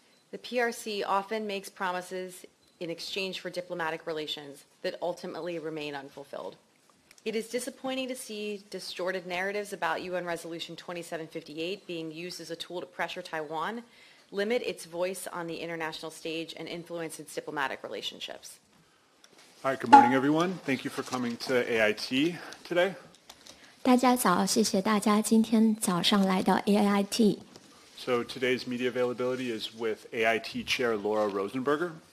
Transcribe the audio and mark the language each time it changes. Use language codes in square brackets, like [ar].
[en] The PRC often makes promises in exchange for diplomatic relations that ultimately remain unfulfilled. It is disappointing to see distorted narratives about UN Resolution 2758 being used as a tool to pressure Taiwan, limit its voice on the international stage, and influence its diplomatic relationships. All right, good morning, everyone. Thank you for coming to AIT today. [zh] 大家早, 谢谢大家今天早上来到AIT。 [en] So today's media availability is with AIT Chair Laura Rosenberger.